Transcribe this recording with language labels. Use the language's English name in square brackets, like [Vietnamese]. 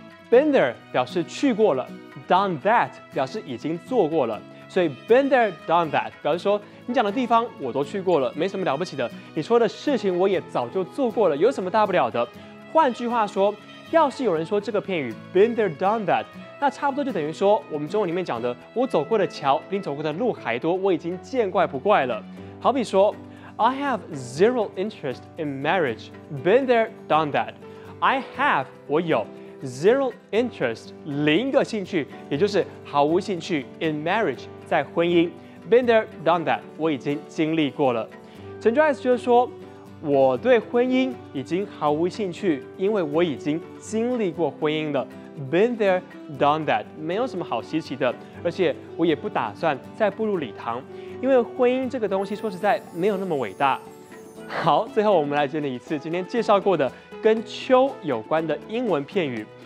[Chinese] Been there 表示去过了， done that 表示已经做过了，所以 been there, done that 表示说你讲的地方我都去过了，没什么了不起的，你说的事情我也早就做过了，有什么大不了的。换句话说，要是有人说这个片语 been there, done that，那差不多就等于说我们中文里面讲的我走过的桥比你走过的路还多，我已经见怪不怪了。 [English] 好比说 I have zero interest in marriage. Been there, done that. [Chinese] I have, 我有 zero interest, 零个兴趣，也就是毫无兴趣 in marriage, 在婚姻。 Been there, done that, 我已经经历过了。陈 Joyce 就是说，我对婚姻已经毫无兴趣，因为我已经经历过婚姻了。 Been there, done that, 没有什么好稀奇的，而且我也不打算再步入礼堂。因为婚姻这个东西说实在没有那么伟大。好，最后我们来整理一次今天介绍过的跟秋有关的英文片语。